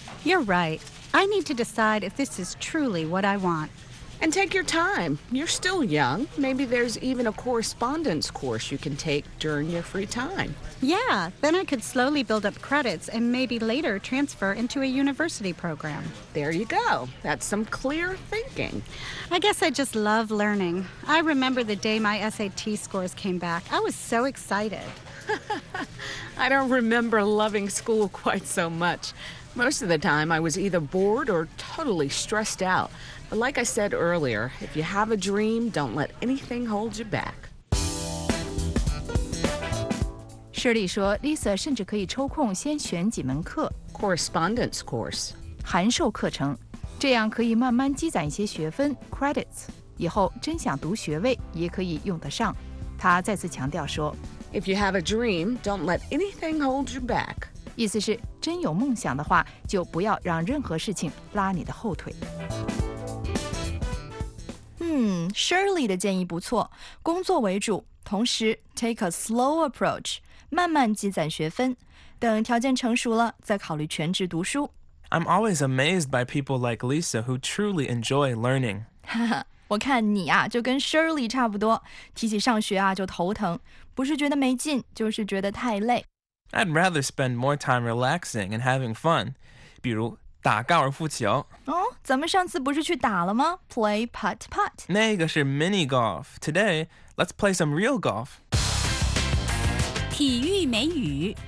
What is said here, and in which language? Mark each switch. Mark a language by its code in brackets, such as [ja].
[en] You're right. I need to decide if this is truly what I want. And take your time. You're still young. Maybe there's even a correspondence course you can take during your free time. Yeah, then I could slowly build up credits and maybe later transfer into a university program. There you go. That's some clear thinking. I guess I just love learning. I remember the day my SAT scores came back. I was so excited. I don't remember loving school quite so much. Most of the time, I was either bored or totally stressed out. Like I said earlier, if you have a dream, don't let anything hold you back. [zh] Shirley 说 ，Lisa 甚至可以抽空先选几门课 [en] ，correspondence course， [zh] 函授课程，这样可以慢慢积攒一些学分 ，credits， 以后真想读学位也可以用得上。他再次强调说 [en] ，If you have a dream, don't let anything hold you back. [zh] 意思是，真有梦想的话，就不要让任何事情拉你的后腿。 Shirley 的建议不错，工作为主，同时 [en] take a slow approach， [zh] 慢慢积攒学分，等条件成熟了再考虑全职读书。 [en] I'm always amazed by people like Lisa who truly enjoy learning. [zh] 我看你啊，就跟 Shirley 差不多，提起上学啊就头疼，不是觉得没劲，就是觉得太累。 [en] I'd rather spend more time relaxing and having fun， [zh] 比如打高尔夫球哦，咱们上次不是去打了吗 ？ [en] Play putt putt。 [zh] 那个是 [en] mini golf。Today let's play some real golf。 [zh] 体育美语。